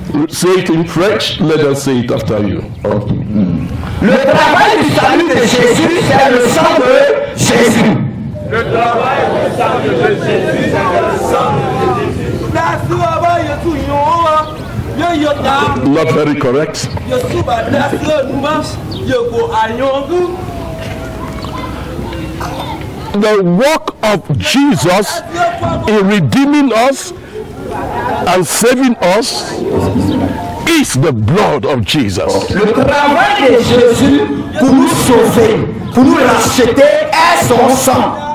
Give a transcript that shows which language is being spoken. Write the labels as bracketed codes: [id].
[en] Say it in French, let us say it after you. Okay. Mm. [fr] Le travail du salut de Jésus, c'est le sang de Jésus. Le travail du salut de Jésus, c'est le sang de Jésus. [en] Not very correct. The work of Jesus in redeeming us and saving us is the blood of Jesus. [fr] Le travail de Jésus pour nous sauver, pour nous racheter, est son sang.